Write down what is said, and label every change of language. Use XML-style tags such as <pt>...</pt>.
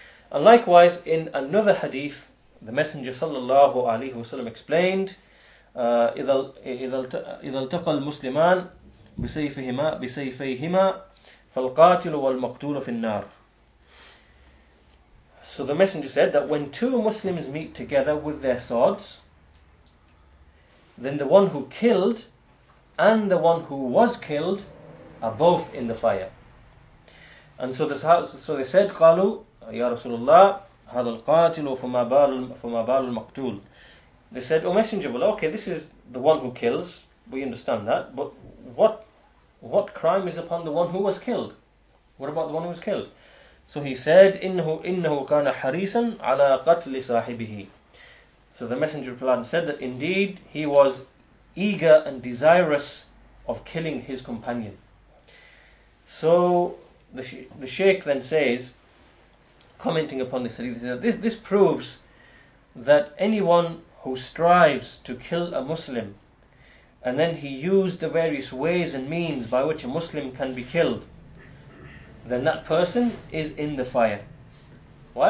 <en>And likewise, in another hadith, the Messenger sallallahu alaihi wasallam explained,</en> <ar>إِذَا الْتَقَى الْمُسْلِمَانِ بِسَيْفَيْهِمَا فَالْقَاتِلُ وَالْمَقْتُولُ فِي النَّارِ.</ar> <en>So the Messenger said that when two Muslims meet together with their swords, then the one who killed and the one who was killed are both in the fire. And so they said,</en> <ar>قَالُوا يَا رَسُولُ اللَّهِ هَذَا الْقَاتِلُ فُمَا بَالُ الْمَقْتُولُ.</ar> <en>They said, O Messenger of Allah, okay, this is the one who kills, we understand that, but what crime is upon the one who was killed? What about the one who was killed? So he said,</en> <ar>إِنَّهُ كَانَ حَرِيسًا عَلَى قَتْلِ صَاحِبِهِ.</ar> <en>So the Messenger replied and said that indeed he was eager and desirous of killing his companion. So the Shaykh then says, commenting upon this hadith, this proves that anyone who strives to kill a Muslim and then he used the various ways and means by which a Muslim can be killed, then that person is in the fire. Why?</en>